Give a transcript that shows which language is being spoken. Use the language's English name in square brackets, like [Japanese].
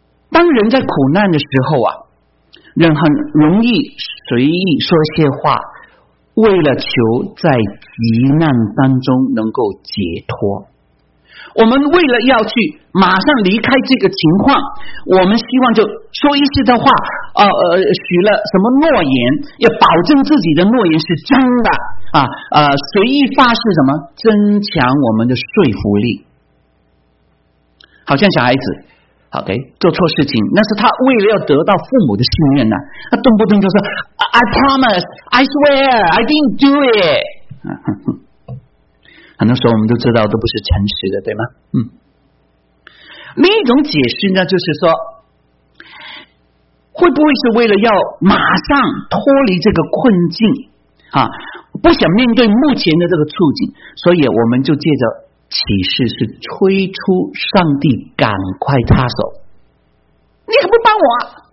[Chinese] 当人在苦难的时候啊，人很容易随意说些话，为了求在急难当中能够解脱，我们为了要去马上离开这个情况，我们希望就说一些的话，许了什么诺言，要保证自己的诺言是真的啊，随意发誓什么，增强我们的说服力。好像小孩子 ，OK， 做错事情，那是他为了要得到父母的信任呢、啊，他动不动就说。 [English] I promise, I swear, I didn't do it. [Chinese] 很多时候我们都知道都不是诚实的，对吗？另一种解释呢，就是说，会不会是为了要马上脱离这个困境啊，不想面对目前的这个处境，所以我们就借着启示是催出上帝赶快插手，你可不帮我啊。